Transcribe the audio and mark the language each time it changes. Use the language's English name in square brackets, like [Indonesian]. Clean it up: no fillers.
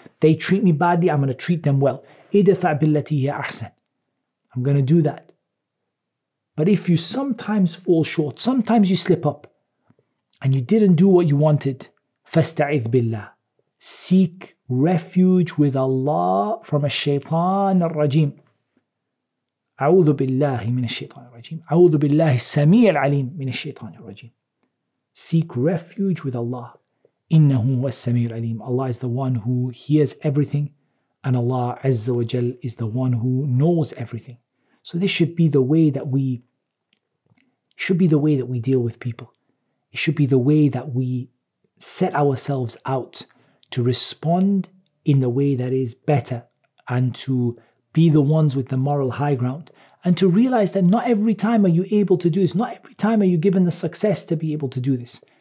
[English] They treat me badly, I'm going to treat them well. [Arabic] اِدْفَعْ بِالَّتِي هِيَ أَحْسَنُ [English] I'm going to do that. But if you sometimes fall short, sometimes you slip up and you didn't do what you wanted, [Arabic] فَاسْتَعِذْ بِاللَّهِ [English] Seek refuge with Allah from a shaytan ar-rajim. [Arabic] أعوذ بالله من الشيطان الرجيم. أعوذ بالله السميع العليم من الشيطان الرجيم. [English] Seek refuge with Allah. [Arabic] إنه هو السميع العليم. [English] Allah is the one who hears everything, and Allah عز وجل is the one who knows everything. So this should be the way that we should be the way that we deal with people. It should be the way that we set ourselves out to respond in the way that is better, and to be the ones with the moral high ground, and to realize that not every time are you able to do this, not every time are you given the success to be able to do this.